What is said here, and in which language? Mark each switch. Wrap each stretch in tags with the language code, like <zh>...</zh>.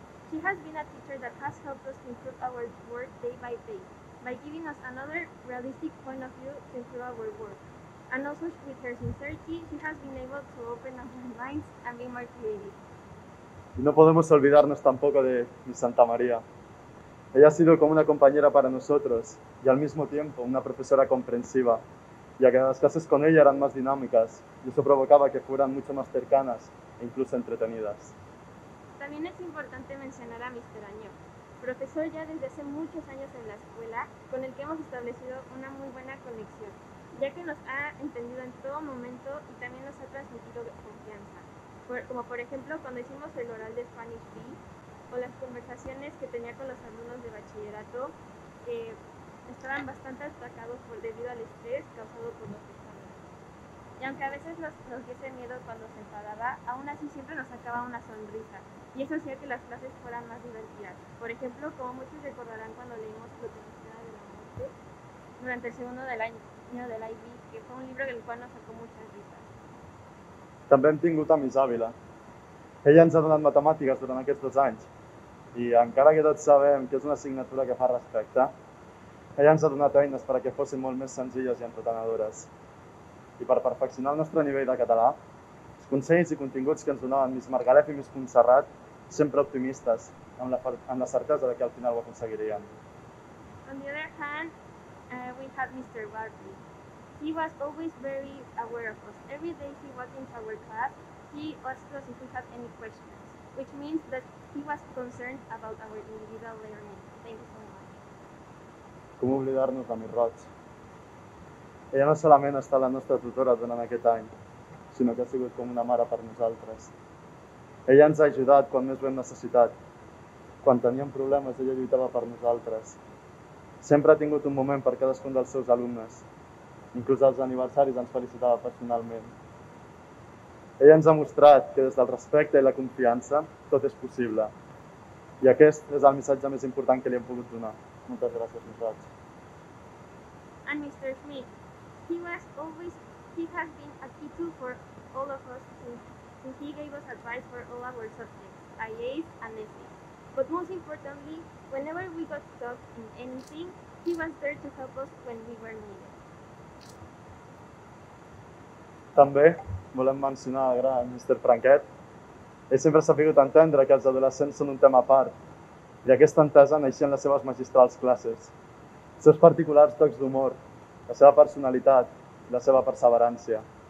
<en>She has been a teacher that has helped us improve our work day by day by giving us another realistic point of view to improve our work. And also with her sincerity, she has been able to open up our minds and be more creative.</en> <es>Y no podemos olvidarnos tampoco de Ms. Santa María. Ella ha sido como una compañera para nosotros y al mismo tiempo una profesora comprensiva, ya que las clases con ella eran más dinámicas y eso provocaba que fueran mucho más cercanas e incluso entretenidas. También es importante mencionar a Mr. Año, profesor ya desde hace muchos años en la escuela, con el que hemos establecido una muy buena conexión, ya que nos ha entendido en todo momento y también nos ha transmitido confianza, como por ejemplo cuando hicimos el oral de Spanish B, o las conversaciones que tenía con los alumnos de bachillerato que estaban bastante atacados debido al estrés causado por los exámenes. Y aunque a veces nos diese miedo cuando se enfadaba, aún así siempre nos sacaba una sonrisa. Y eso hacía que las clases fueran más divertidas. Por ejemplo, como muchos recordarán cuando leímos La Tempestad de la Muerte durante el segundo del año del IB, que fue un libro del cual nos sacó muchas risas. También tengo a Miss Ávila.</es> <ca>Ella ens ha donat matemàtiques durant aquests 2 anys i encara que tots sabem que és una assignatura que fa respecte, ella ens ha donat eines perquè fossin molt més senzilles i entretenedores. I per perfeccionar el nostre nivell de català, els consells i continguts que ens donaven Miss Margalef i Miss Montserrat, sempre optimistes, amb la certesa que al final ho aconseguirien.</ca> <en>On the other hand, we have Mr. Barbie. He was always very aware of us. Every day he was in our class, he asked us if we had any questions, which means that he was concerned about our individual learning. Thank you so much.</en> <ca>Com oblidar-nos de Miss Roig? Ella no solament ha estat la nostra tutora durant aquest any, sinó que ha sigut com una mare per nosaltres. Ella ens ha ajudat quan més ho hem necessitat. Quan teníem problemes, ella lluitava per nosaltres. Sempre ha tingut un moment per cadascun dels seus alumnes. Inclús als aniversaris ens felicitava personalment. Ella ens ha mostrat que des del respecte i la confiança tot és possible. I aquest és el missatge més important que li hem pogut donar. Moltes gràcies, Miss Roig.</ca> <en>And Mr. Smith, he has been a key tool for all of us since he gave us advice for all our subjects, IAs and SAs. But most importantly, whenever we got stuck in anything, he was there to help us when we were needed.</en> <ca>També volem mencionar el gran Mr. Franquet. Ell sempre s'ha sabut entendre que els adolescents són un tema a part i aquesta entesa naixia en les seves magistrals classes. Els seus particulars tocs d'humor, la seva personalitat i la seva perseverància.</ca>